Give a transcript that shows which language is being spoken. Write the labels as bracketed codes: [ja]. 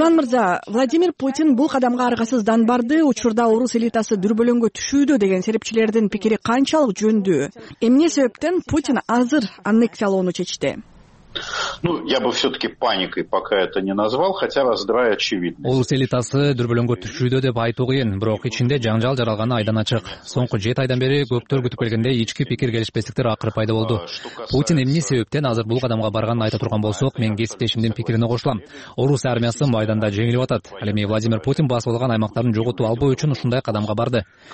[ky] Иван мырза, Владимир Путин бул кадамга аргасыздан барды, учурда орус элитасы дүрбөлөңгө түшүүдө деген серепчилердин пикири канчалык жөндүү? Эмне себептен Путин азыр аннексиялоону чечти? [ru] Ну, я бы все-таки паникой пока это не назвал, хотя раздрай очевидно. [ky] Орус элитасы дүрбөлөңгө түшүүдө деп айтуу кыйын, бирок ичинде жаңжал жаралганы айдан ачык. Соңку 7 айдан бери көптөр күтүп келгендей ички пикир келишпестиктер акыры пайда болду. Путин эмне себептен азыр бул кадамга барганын айта турган болсок, мен кесиптешимдин пикирине кошулам. Орус армиясы майданда жеңилип атат. Ал эми Владимир Путин басып алган аймактарын жоготуп албоо үчүн ушундай кадамга барды.